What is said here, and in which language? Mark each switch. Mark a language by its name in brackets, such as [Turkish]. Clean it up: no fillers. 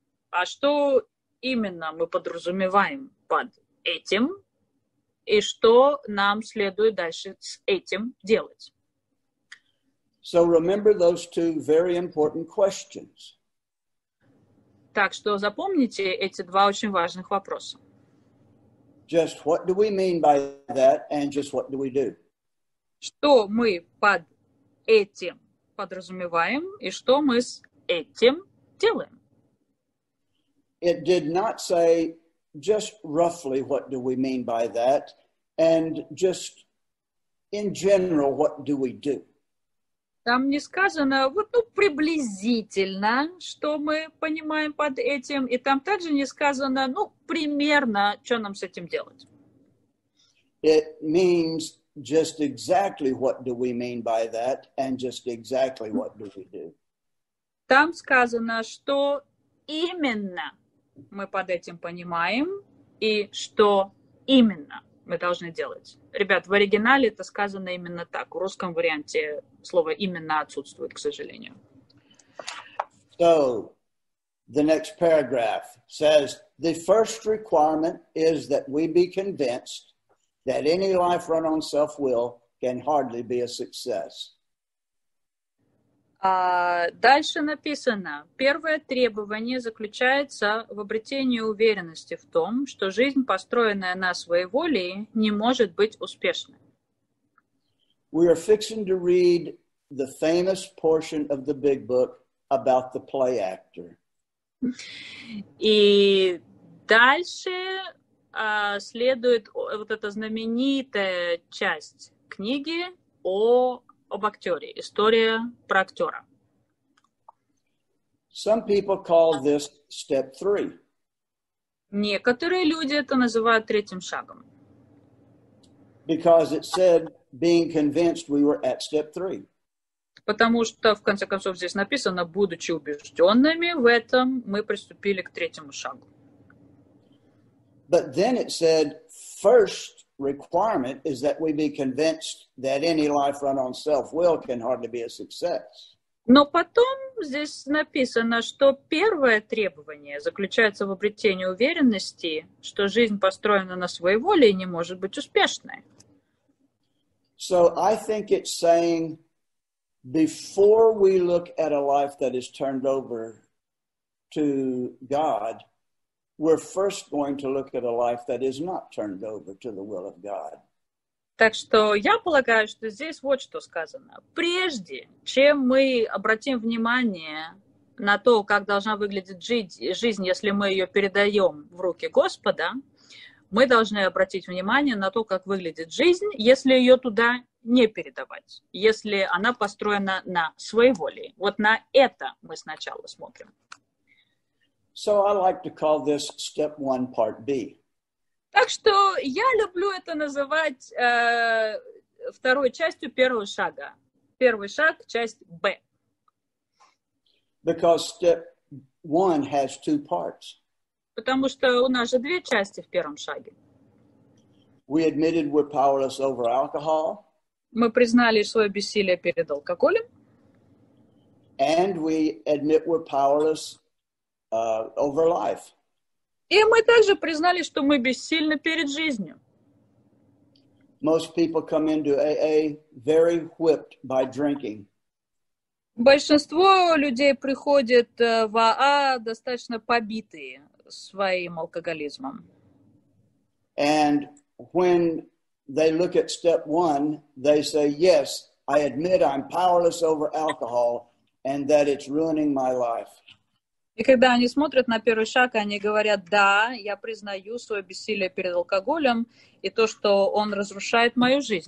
[Russian] А что именно мы подразумеваем под этим? И что нам следует дальше с этим делать? [English] So remember those two very important questions. [Russian] Так что запомните эти два очень важных вопроса. [English] Just what do we mean by that, and just what do we do? [Russian] Что мы под этим подразумеваем, и что мы с этим делаем? [English] It did not say just roughly what do we mean by that, and just in general what do we do? [Russian] Там не сказано, вот ну приблизительно, что мы понимаем под этим, и там также не сказано, ну примерно, что нам с этим делать. [English] It means just exactly what do we mean by that, and just exactly what do we do? [Russian] Там сказано, что именно мы под этим понимаем, и что именно мы должны делать. Ребят, в оригинале это сказано именно так. В русском варианте слово «именно» отсутствует, к сожалению. [English] So, the next paragraph says, the first requirement is that we be convinced that any life run on self-will can hardly be a success. [Russian] Дальше написано, первое требование заключается в обретении уверенности в том, что жизнь, построенная на своей воле, не может быть успешной. [English] We are fixing to read the famous portion of the big book about the play actor. [Russian] И дальше следует вот эта знаменитая часть книги об актере, история про актера. [English] Some people call this step three. [Russian] Некоторые люди это называют третьим шагом. [English] Because it said being convinced we were at step three. [Russian] Потому что, в конце концов, здесь написано, будучи убежденными в этом, мы приступили к третьему шагу. [English] But then it said, first requirement is that we be convinced that any life run on self-will can hardly be a success. [Russian] Но потом здесь написано, что первое требование заключается в обретении уверенности, что жизнь построена на своей воле и не может быть успешной. [English] So I think it's saying, before we look at a life that is turned over to God, we're first going to look at a life that is not turned over to the will of God. [Russian] Так что я полагаю, что здесь вот что сказано. Прежде чем мы обратим внимание на то, как должна выглядеть жизнь, если мы ее передаем в руки Господа, мы должны обратить внимание на то, как выглядит жизнь, если ее туда не передавать, если она построена на своеволии. Вот на это мы сначала смотрим. [English] So I like to call this step one, part B. [Russian] Так что я люблю это называть второй частью первого шага. Первый шаг, часть Б. [English] Because step one has two parts. [Russian] Потому что у нас же две части в первом шаге. [English] We admitted we're powerless over alcohol. [Russian] Мы признали свое бессилие перед алкоголем. [English] And we admit we're powerless over life. [Russian] И мы также признали, что мы бессильны перед жизнью. [English] Most people come into AA very whipped by drinking. [Russian] Большинство людей приходит в АА достаточно побитые своим алкоголизмом. [English] And when they look at step one, they say, yes, I admit I'm powerless over alcohol and that it's ruining my life. [Russian] И когда они смотрят на первый шаг, они говорят, да, я признаю свое бессилие перед алкоголем и то, что он разрушает мою